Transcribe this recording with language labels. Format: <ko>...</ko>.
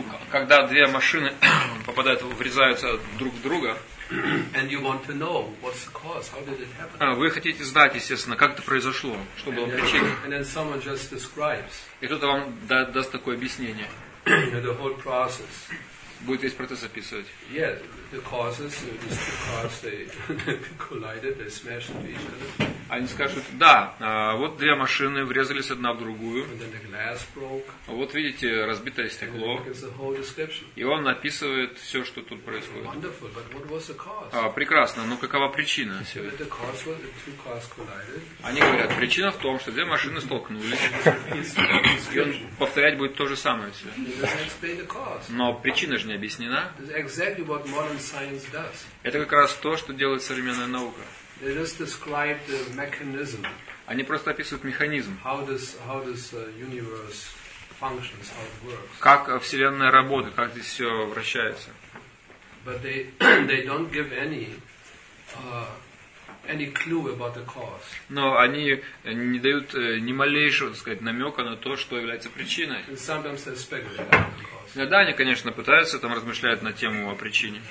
<ru>Когда две машины попадают, врезаются друг в друга.</ru> <en>And you want to know what's the cause? How did it happen?</en> <ru>Вы хотите знать, естественно, как это произошло, что было причиной.</ru> <en>And then someone just describes.</en> <ru>И кто-то вам даст такое объяснение.</ru> <en>The whole process.</en> <ru>Будет весь процесс описывать.</ru> <en>Yeah, the causes, just the cause, they collided, they smashed into each other.</en> <ru>Они скажут, да, вот две машины врезались одна в другую.</ru> <en>And then the glass broke.</en> <ru>Вот видите, разбитое стекло.</ru> <en>And the whole description.</en> <ru>И он описывает все, что тут происходит.</ru> <en>Wonderful, but what was the cause?</en> <ru>Прекрасно, но какова причина всего?</ru> <en>The cause was the two cars collided.</en> <ru>Они говорят, причина в том, что две машины столкнулись. И он повторять будет то же самое все. Но причина же не объяснена.</ru> <en>Exactly what modern science does.</en> <ru>Это как раз то, что делает современная наука.</ru> <en>They just describe the mechanism.</en> <ru>Они просто описывают механизм.</ru> <en>How does universe functions, how it works.</en> <ru>Как Вселенная работает, как здесь все вращается.</ru> <en>But they don't give any clue about the cause.</en> <ru>Но они не дают ни малейшего, так сказать, намека на то, что является причиной.</ru> <en>And sometimes they speculate.</en> <ru>Иногда они, конечно, пытаются там размышлять на тему о причине.</ru>